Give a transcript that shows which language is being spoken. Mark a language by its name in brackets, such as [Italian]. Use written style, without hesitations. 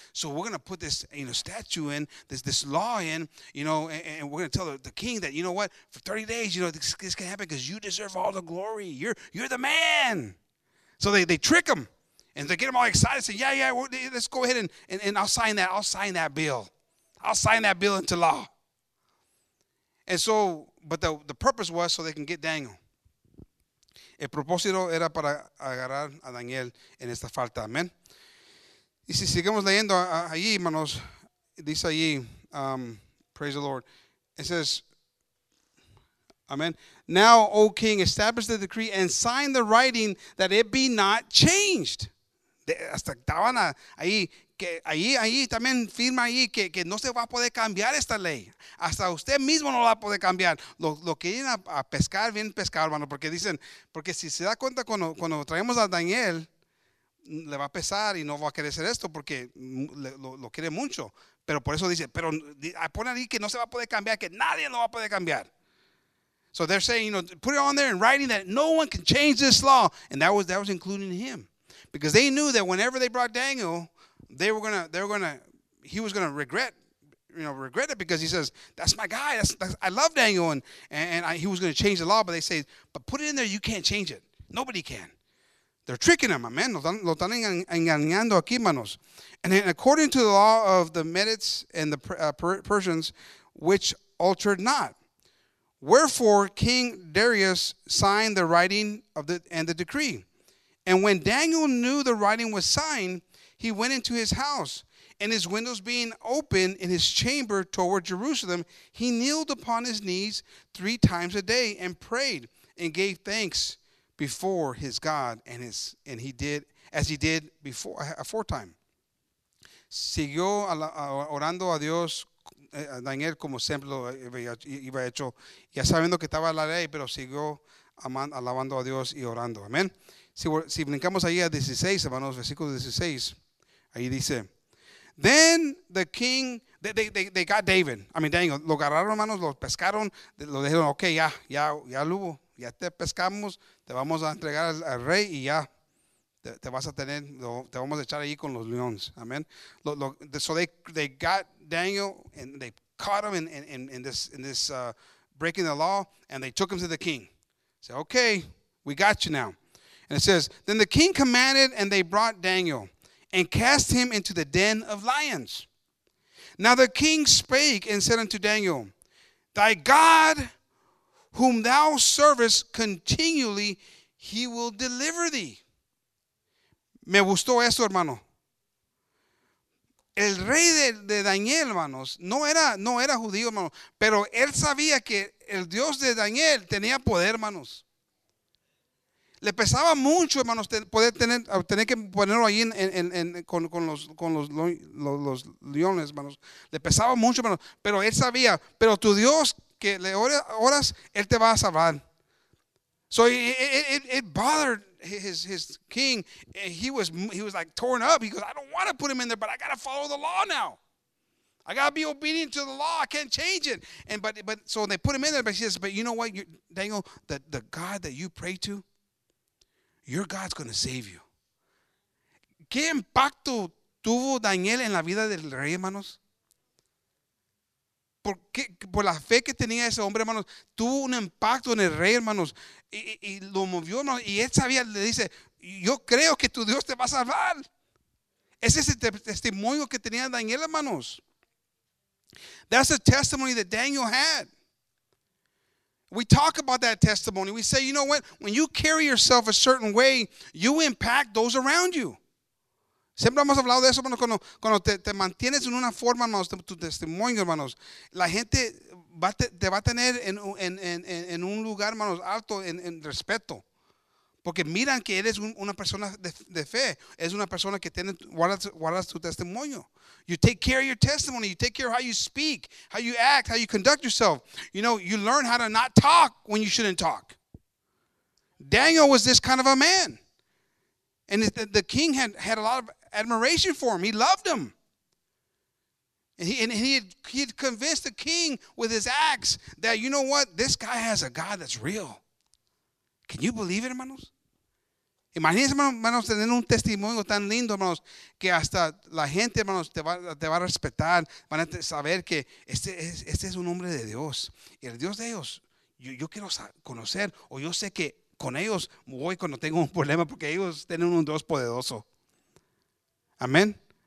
[English] So we're going to put this, you know, statue in, this law in, you know, and we're going to tell the king that, you know what, for 30 days, you know, this can happen because you deserve all the glory. You're the man. So they trick him. And they get him all excited and say, yeah, let's go ahead and I'll sign that. I'll sign that bill. I'll sign that bill into law. And so, but the purpose was so they can get Daniel. [Spanish] El propósito era para agarrar a Daniel en esta falta. Amen. Y si seguimos leyendo allí, hermanos, dice allí, [English] praise the Lord. It says, amen. Now, O king, establish the decree and sign the writing that it be not changed. [Spanish] Hasta estaban ahí. Que ahí también firma ahí que no se va a poder cambiar esta ley. Hasta usted mismo no la puede cambiar. Lo quieren a pescar, bien pescar, hermano, porque dicen, porque si se da cuenta cuando traemos a Daniel, le va a pesar y no va a querer hacer esto porque lo quiere mucho. Pero por eso dice, pero pone ahí que no se va a poder cambiar, que nadie lo va a poder cambiar. [English] So they're saying, you know, put it on there in writing that no one can change this law. And that was including him. Because they knew that whenever they brought Daniel, he was gonna regret, you know, regret it because he says, that's my guy, that's I love Daniel, and he was gonna change the law, but they say, but put it in there, you can't change it. Nobody can. They're tricking him, amen. [Spanish] Lo están engañando aquí, manos. [English] And then according to the law of the Medes and the Persians, which altered not. Wherefore King Darius signed the writing and the decree. And when Daniel knew the writing was signed, he went into his house, and his windows being open in his chamber toward Jerusalem, he kneeled upon his knees three times a day and prayed and gave thanks before his God. And he did as he did before, aforetime. [Spanish] Siguió orando a Dios, Daniel, como siempre lo iba hecho, ya sabiendo que estaba la ley, pero siguió alabando a Dios y orando. Amén. Si brincamos ahí a 16, hermanos, versículo 16, ahí dice, [English] then the king, they got David. I mean, [Spanish] Daniel, lo agarraron, hermanos, lo pescaron, lo dijeron, ok, ya lo hubo, ya te pescamos, te vamos a entregar al rey y ya. Te vas a tener, te vamos a echar ahí con los leones. Amén. [English] So they got Daniel and they caught him in this breaking the law, and they took him to the king. Say, okay, we got you now. And it says, then the king commanded, and they brought Daniel and cast him into the den of lions. Now the king spake and said unto Daniel, thy God, whom thou servest continually, he will deliver thee. [Spanish] Me gustó eso, hermano. El rey de Daniel, hermanos, no era judío, hermano, pero él sabía que el Dios de Daniel tenía poder, hermanos. Le pesaba mucho, hermanos, tener que ponerlo ahí con los leones, hermanos. Le pesaba mucho, hermanos, pero él sabía, pero tu Dios que le oras, él te va a salvar. [English] So it bothered his king, and he was like torn up. He goes, I don't want to put him in there, but I got to follow the law now. I got to be obedient to the law. I can't change it. And but so they put him in there, but he says, but you know what, Daniel, the God that you pray to, your God's going to save you. [Spanish] ¿Qué impacto tuvo Daniel en la vida del rey, hermanos? Por la fe que tenía ese hombre, hermanos, tuvo un impacto en el rey, hermanos, y lo movió, hermanos, y él sabía, le dice, yo creo que tu Dios te va a salvar. Ese es el testimonio que tenía Daniel, hermanos. [English] That's the testimony that Daniel had. We talk about that testimony. We say, you know what? When you carry yourself a certain way, you impact those around you. [Spanish] Siempre hemos hablado de eso, hermanos, cuando te mantienes en una forma, hermanos, tu testimonio, hermanos. La gente te va a tener en un lugar, hermanos, alto, en respeto. Porque miran que eres una persona de fe. Es una persona que guardas tu testimonio. [English] You take care of your testimony. You take care of how you speak, how you act, how you conduct yourself. You know, you learn how to not talk when you shouldn't talk. Daniel was this kind of a man. And the king had a lot of admiration for him. He loved him. And he had convinced the king with his acts that, you know what, this guy has a God that's real. Can you believe it, hermanos? [Spanish] Imagínense, hermanos, tener un testimonio tan lindo, hermanos, que hasta la gente, hermanos, te va a respetar, van a saber que este es un hombre de Dios. Y el Dios de ellos, yo quiero conocer, o yo sé que con ellos voy cuando tengo un problema, porque ellos tienen un Dios poderoso. Amén.